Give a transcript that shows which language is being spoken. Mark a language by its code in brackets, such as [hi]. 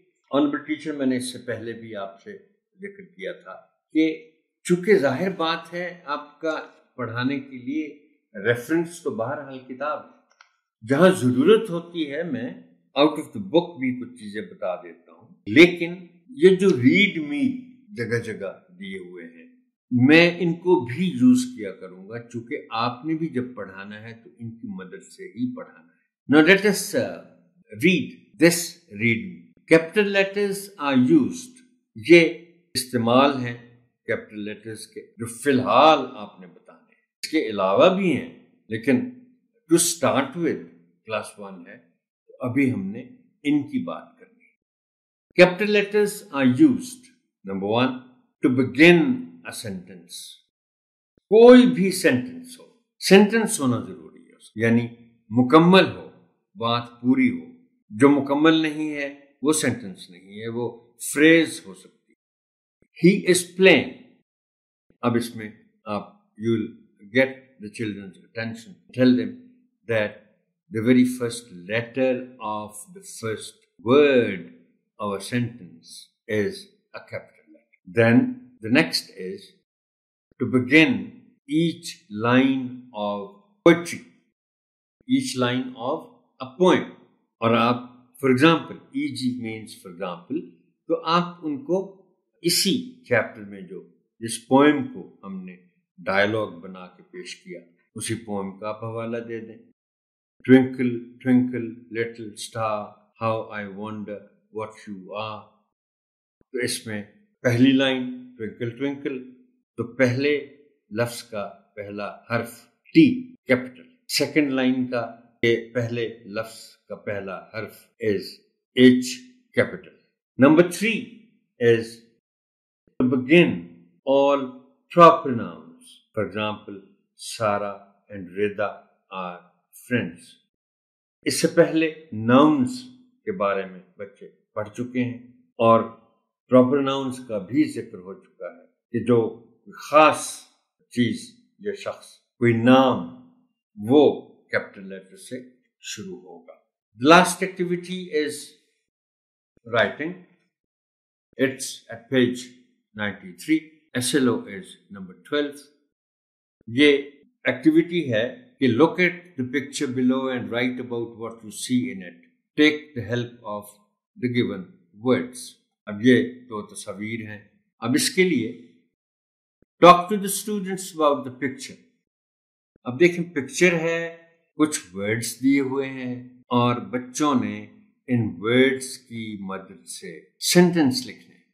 [ur] Honourable teacher, میں نے اس سے پہلے بھی آپ سے ذکر کیا تھا کہ چونکہ ظاہر بات ہے آپ کا پڑھانے کے لیے ریفرنس تو بہرحال کتاب ہے، جہاں ضرورت ہوتی ہے میں [en] out of the book [ur] بھی کچھ چیزیں بتا دیتا ہوں، لیکن یہ جو ریڈ می جگہ جگہ دیے ہوئے ہیں میں ان کو بھی یوز کیا کروں گا، چونکہ آپ نے بھی جب پڑھانا ہے تو ان کی مدد سے ہی پڑھانا ہے. [en] Now let us read this read me. Capital letters are used. [ur] یہ استعمال ہیں کیپٹل لیٹرز کے جو فی الحال آپ نے بتانے، اس کے علاوہ بھی ہیں لیکن [en] to start with class one [ur] ہے تو ابھی ہم نے ان کی بات کرنی. [en] Capital letters are used number one to begin a sentence. [ur] کوئی بھی سینٹینس ہو، سینٹینس ہونا ضروری ہے، یعنی مکمل ہو، بات پوری ہو. جو مکمل نہیں ہے وہ سینٹینس نہیں ہے، وہ فریز ہو سکتا. [en] He is playing. [ur] اب اس میں آپ [en] you'll get the children's attention. Tell them that the very first letter of the first word of a sentence is a capital letter. Then the next is to begin each line of poetry. Each line of a poem. [ur] اور آپ [en] for example, e.g. means for example, [ur] تو آپ ان کو اسی chapter میں جو جس poem کو ہم نے ڈائیلاگ بنا کے پیش کیا اسی پوئم کا آپ حوالہ دے دیں. [en] Twinkle twinkle little star how I wonder what you are. [ur] تو اس میں پہلی لائن ٹوئنکل ٹوئنکل، تو پہلے لفظ کا پہلا حرف ٹی کیپٹل، سیکنڈ لائن کا پہلے لفظ کا پہلا حرف از H capital. Number three is [en] begin all proper nouns. For example, Sara and Rida are friends. [ur] اس سے پہلے nouns کے بارے میں بچے پڑھ چکے ہیں اور proper nouns کا بھی ذکر ہو چکا ہے کہ جو خاص چیز یا شخص کوئی نام وہ capital letter سے شروع ہوگا. The last activity is writing. It's at page 93. SLO is number 12. یہ ایکٹیویٹی ہے کہ [en] look at the picture below and write about what you see in it. Take the help of the given words. [ur] اب یہ دو تصاویر ہیں، اب اس کے لیے [en] talk to the students about the picture. [ur] اب دیکھیں پکچر ہے، کچھ ورڈس دیے ہوئے ہیں اور بچوں نے ان ورڈس کی مدد سے سینٹینس لکھنے.